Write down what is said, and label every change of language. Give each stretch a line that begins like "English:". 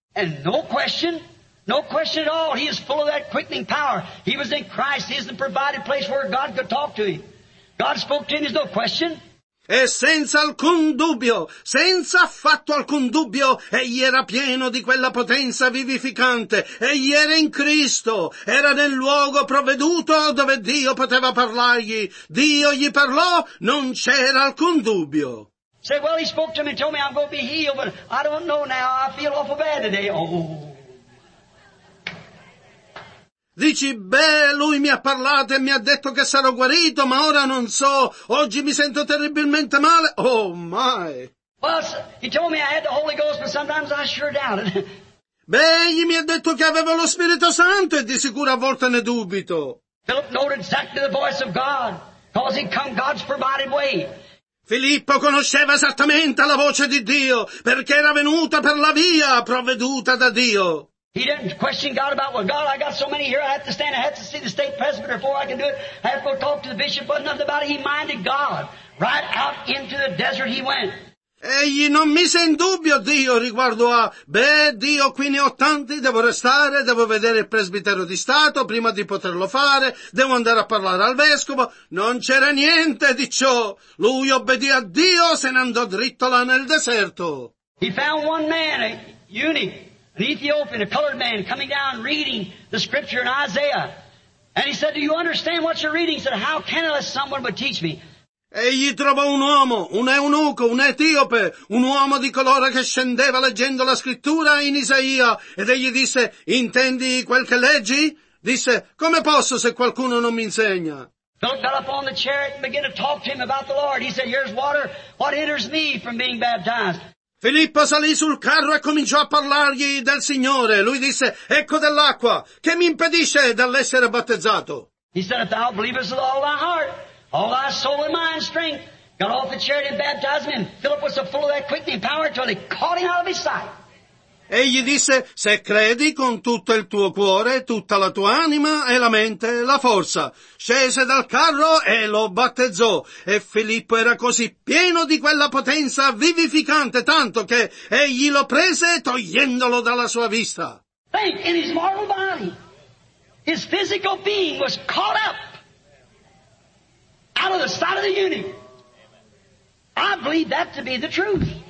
English: And no question, no question at all, he is full of that quickening power. He was in Christ, he is the provided place where God could talk to him. God spoke to him, there's no question.
Italian: E senza alcun dubbio, senza affatto alcun dubbio, egli era pieno di quella potenza vivificante. Egli era in Cristo, era nel luogo provveduto dove Dio poteva parlargli. Dio gli parlò, non c'era alcun dubbio.
English: Say, well, he spoke to me and told me I'm going to be healed, but I don't know now, I feel awful bad today. Oh.
Italian: Dici, beh, lui mi ha parlato e mi ha detto che sarò guarito, ma ora non so, oggi mi sento terribilmente male.
English: Oh, my. Well, he told me I had the Holy Ghost, but sometimes I sure doubt it.
Italian: Beh, egli mi ha detto che avevo lo Spirito Santo e di sicuro a volte ne dubito.
English: Philip noted exactly the voice of God. Because he'd come God's provided way.
Italian: Filippo conosceva esattamente la voce di Dio, perché era venuta per la via provveduta da Dio.
English: He didn't question God about, well, God, I got so many here, I have to stand, I have to see the state presbyter before I can do it. I have to go talk to the bishop, but nothing about it. He minded God. Right out into the desert he went.
Italian: Egli non mise in dubbio Dio riguardo a, beh, Dio, qui ne ho tanti, devo restare, devo vedere il presbitero di Stato prima di poterlo fare, devo andare a parlare al vescovo. Non c'era niente di ciò. Lui obbedì a Dio, se ne andò dritto là nel deserto.
English: He found one man, a eunuch, an Ethiopian, a colored man, coming down reading the scripture in Isaiah. And he said, do you understand what you're reading? He said, how can unless someone but teach me?
Italian: Egli trovò un uomo, un eunuco, un etiope, un uomo di colore che scendeva leggendo la scrittura in Isaia, ed egli disse, intendi quel che leggi? Disse, come posso se qualcuno non mi insegna?
English: Philip got up on the chariot and began to talk to him about the Lord. He said, here's water, what hinders me from being baptized?
Italian: Filippo salì sul carro e cominciò a parlargli del Signore. Lui disse, ecco dell'acqua, che mi impedisce dall'essere battezzato?
English: He said, if thou believest with all thy heart, all thy soul and mind strength, got off the chariot and baptized him. And Philip was so full of that quickening power until he caught him out of his sight.
Italian: Egli disse, se credi con tutto il tuo cuore, tutta la tua anima e la mente, la forza. Scese dal carro e lo battezzò. E Filippo era così pieno di quella potenza vivificante, tanto che egli lo prese togliendolo dalla sua vista.
English: Think, in his mortal body, his physical being was caught up. Out of the sight of the eunuch. I believe that to be the truth.